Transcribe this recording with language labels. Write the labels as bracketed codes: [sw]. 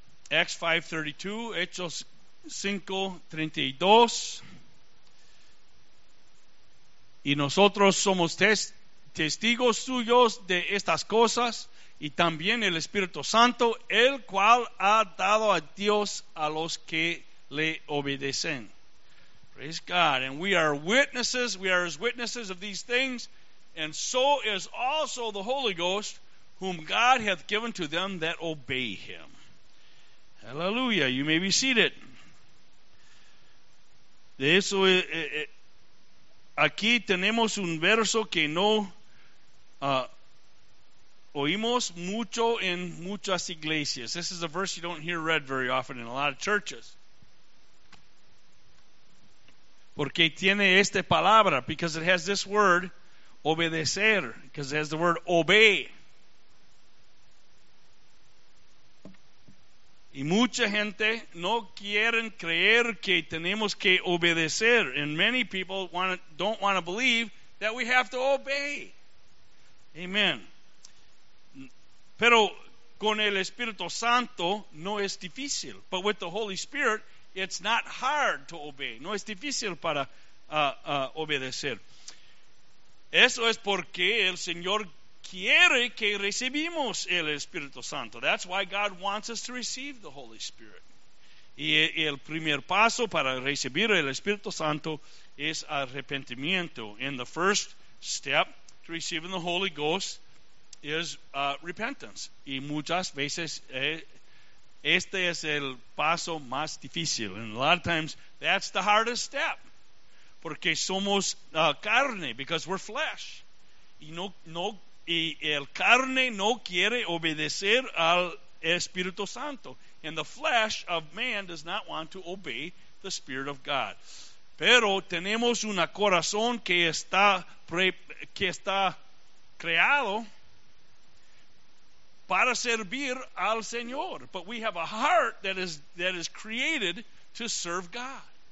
[en] Acts 5:32, Hechos 5:32. [es] Y nosotros somos testigos suyos de estas cosas. Y también el Espíritu Santo, el cual ha dado a Dios a los que le obedecen. [en] Praise God. And we are witnesses, we are his witnesses of these things. And so is also the Holy Ghost, whom God hath given to them that obey him. Hallelujah. You may be seated. [es] De eso, aquí tenemos un verso que no... oímos mucho en muchas iglesias. [en] This is a verse you don't hear read very often in a lot of churches. [es] Porque tiene esta palabra, [en] because it has this word, obedecer, because it has the word obey. [es] Y mucha gente no quieren creer que tenemos que obedecer. [en] And many people don't want to believe that we have to obey. Amen. [es] Pero con el Espíritu Santo no es difícil. [en] But with the Holy Spirit, it's not hard to obey. [es] No es difícil para obedecer. Eso es porque el Señor quiere que recibimos el Espíritu Santo. [en] That's why God wants us to receive the Holy Spirit. [es] Y el primer paso para recibir el Espíritu Santo es arrepentimiento. [en] And the first step to receiving the Holy Ghost is repentance. [es] Y muchas veces este es el paso más difícil. [en] And a lot of times that's the hardest step, [es] porque somos carne, [en] because we're flesh, [es] y no y el carne no quiere obedecer al Espíritu Santo, [en] and the flesh of man does not want to obey the Spirit of God. [es] pero tenemos un corazón que está creado para servir al Señor. [en] But we have a heart that is created to serve God.